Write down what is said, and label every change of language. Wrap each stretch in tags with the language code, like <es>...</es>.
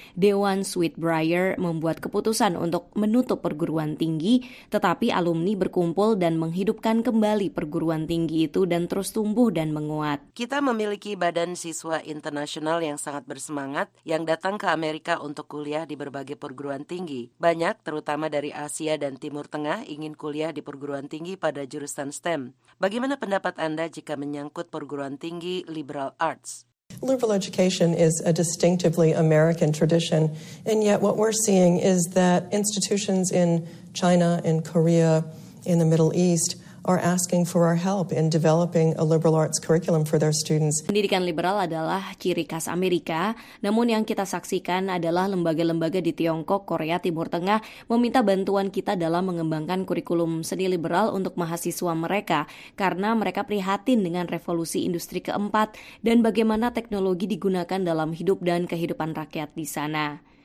<id>Dewan Sweetbriar membuat keputusan untuk menutup perguruan tinggi, tetapi alumni berkumpul dan menghidupkan kembali perguruan tinggi itu dan terus tumbuh dan menguat. Kita memiliki badan siswa internasional yang sangat bersemangat, yang datang ke Amerika untuk kuliah di berbagai perguruan tinggi. Banyak, terutama dari Asia dan Timur Tengah, ingin kuliah di perguruan tinggi pada jurusan STEM. Bagaimana pendapat Anda jika menyangkut perguruan tinggi liberal arts?</id> <en>Liberal education is a distinctively American tradition, and yet what we're seeing is that institutions in China, in Korea, in the Middle East are asking for our help in developing a liberal arts curriculum for their students.</en> <id>Pendidikan liberal adalah ciri khas Amerika, namun yang kita saksikan adalah lembaga-lembaga di Tiongkok, Korea, Timur Tengah meminta bantuan kita dalam mengembangkan kurikulum seni liberal untuk mahasiswa mereka, karena mereka prihatin dengan revolusi industri keempat dan bagaimana teknologi digunakan dalam hidup dan kehidupan rakyat di sana.</id>